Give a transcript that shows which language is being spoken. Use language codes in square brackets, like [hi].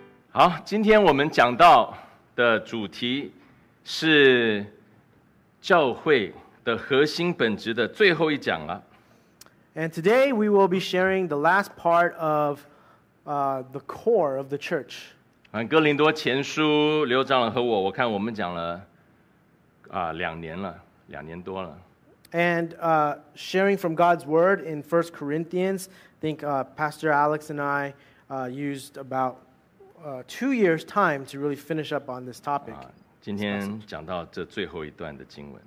[zh] 好，今天我们讲到的主题是教会的核心本质的最后一讲了。 [en] And today we will be sharing the last part of the core of the church. [zh] 哥林多前书，刘长老和我看我们讲了两年了，两年多了。 [en] And sharing from God's word in 1 Corinthians, I think Pastor Alex and I used about2 years' time to really finish up on this topic. [zh] 今天讲到这最后一段的经文。